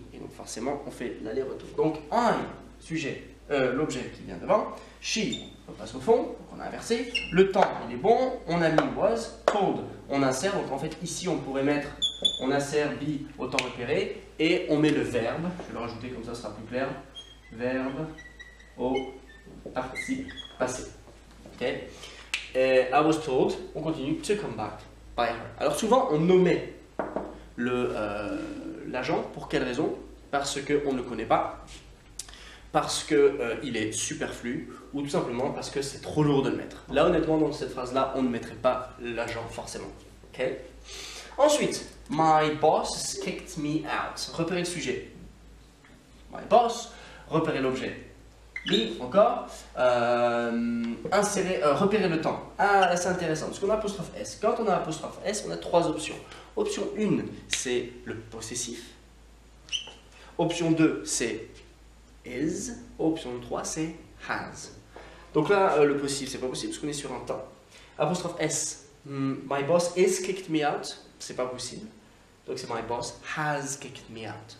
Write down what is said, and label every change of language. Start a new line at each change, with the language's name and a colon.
French: Et donc forcément, on fait l'aller-retour. Donc I, sujet, l'objet qui vient devant, she, on passe au fond, donc on a inversé, le temps il est bon, on a mis was, told, on insère, donc en fait ici on pourrait mettre, on insère be au temps repéré, et on met le verbe, je vais le rajouter comme ça, ce sera plus clair, verbe au participe passé, ok, et
English: I was told,
French: on continue,
English: to come back by her.
French: Alors souvent on nommait l'agent, pour quelle raison? Parce qu'on ne le connaît pas. Parce qu'il est superflu, ou tout simplement parce que c'est trop lourd de le mettre. Là, honnêtement, dans cette phrase-là, on ne mettrait pas l'agent forcément. Okay? Ensuite,
English: my boss kicked me out.
French: Repérez le sujet.
English: My boss,
French: repérez l'objet. Me, encore. Repérez le temps. Ah, là, c'est intéressant. Parce qu'on a apostrophe S. Quand on a apostrophe S, on a 3 options. Option 1, c'est le possessif. Option 2, c'est is. Option 3, c'est has. Donc là, le possible, c'est pas possible parce qu'on est sur un temps. Apostrophe S.
English: My boss has kicked me out.
French: C'est pas possible. Donc c'est
English: my boss has kicked me out.